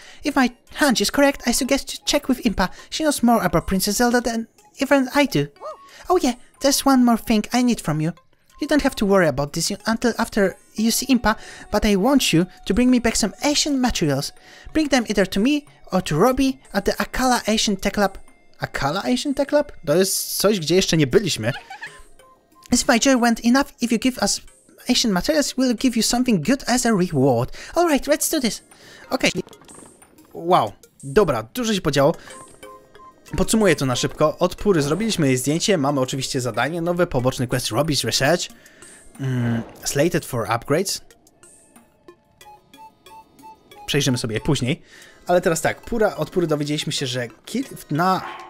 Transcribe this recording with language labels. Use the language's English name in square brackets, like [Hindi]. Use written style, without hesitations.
[English] If my hunch is correct, I suggest you check with Impa. She knows more about Princess Zelda than even I do. Oh yeah, there's one more thing I need from you. You don't have to worry about this until after you see Impa, but I want you to bring me back some ancient materials. Bring them either to me or to Robbie at the Akala Ancient Tech Lab. Akala Ancient Tech Lab? [Polish] To jest coś, gdzie jeszcze nie byliśmy. [English] If my joy went enough, if you give us ancient materials, will give you something good as a reward. Alright, let's do this. Okej. Okay. [Polish] Wow, dobra, dużo się podziało. Podsumuję to na szybko. Od Pury zrobiliśmy jej zdjęcie, mamy oczywiście zadanie nowe, poboczny quest Robbie's Research. [English] Slated for upgrades. [Polish] Przejrzymy sobie później. Ale teraz tak, Pura, od Pury dowiedzieliśmy się, że kit na...